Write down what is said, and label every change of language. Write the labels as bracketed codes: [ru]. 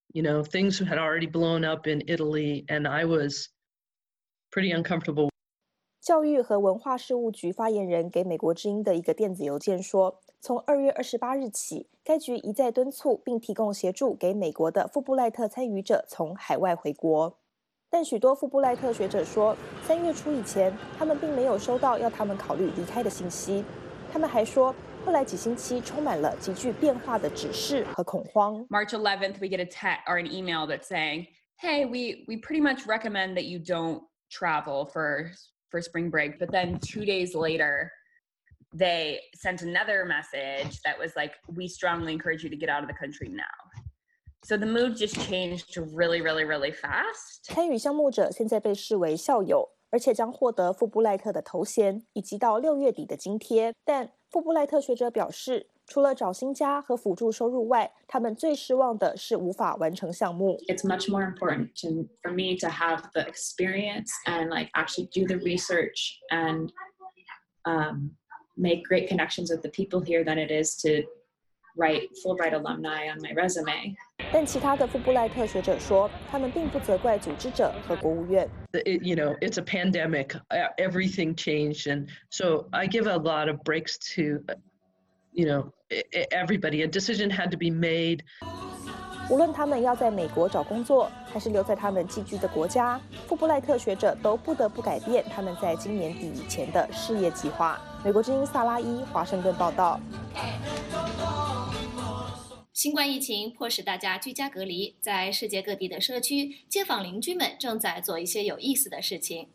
[en] You know, things had already blown up in Italy and I was pretty uncomfortable. [zh] 教育和文化事务局发言人给美国之音的一个电子邮件说，从2月28日起，该局一再敦促并提供协助给美国的富布赖特参与者从海外回国。但许多富布赖特学者说，三月初以前，他们并没有收到要他们考虑离开的信息。他们还说，后来几星期充满了急剧变化的指示和恐慌。 [en] March 11th, we get a text or an email that's saying, hey, we pretty much recommend that you don't travel for spring break, but then 2 days later, they sent another message that was like, we strongly encourage you to get out of the country now. So the mood just changed really, really, really fast. [zh] 参与项目者现在被视为校友，而且将获得富布赖特的头衔，以及到六月底的津贴。但富布赖特学者表示，除了找新家和辅助收入外，他们最失望的是无法完成项目。 [en] It's much more important for me to have the experience and like actually do the research and make great connections with the people here than it is to write Fulbright alumni on my resume. [zh] 但其他的富布赖特学者说，他们并不责怪组织者和国务院。 [en] You know, it's a pandemic. Everything changed, and so I give a lot of breaks to. You know, everybody, a decision had to be made. [zh] 无论他们要在美国找工作，还是留在他们寄居的国家，富布赖特学者都不得不改变他们在今年底以前的事业计划。美国之音萨拉伊，华盛顿报道。新冠疫情迫使大家居家隔离，在世界各地的社区，街坊邻居们正在做一些有意思的事情。